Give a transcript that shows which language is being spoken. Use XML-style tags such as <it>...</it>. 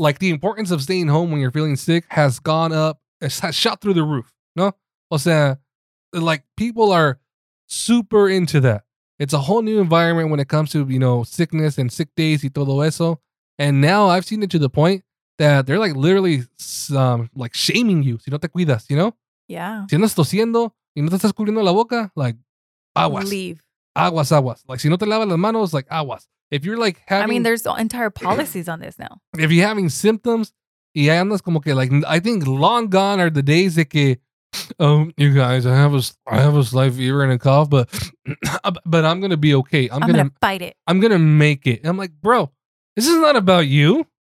<en>Like the importance of staying home when you're feeling sick has gone up, has shot through the roof, no?</en> <es>O sea,</es> <en>like people are super into that. It's a whole new environment when it comes to, you know, sickness and sick days</en> <es>y todo eso.</es> <en>And now I've seen it to the point that they're like literally like shaming you.</en> <es>Si no te cuidas,</es> <en>you know? Yeah.</en> <es>Si andas tosiendo y no te estás cubriendo la boca, like aguas.</es> <en>Leave.</en> <es>Aguas, aguas. Like si no te lavas las manos, like aguas.</es> <en>If you're like having... I mean, there's entire policies on this now. If you're having symptoms</en> <es>y andas como que</es> <en>like, I think long gone are the days</en> <es>de que,</es> <en>oh, you guys, I have a slight fever and a cough, but I'm going to be okay. I'm going to fight it. I'm going to make it. And I'm like, bro, this is not about you.</en>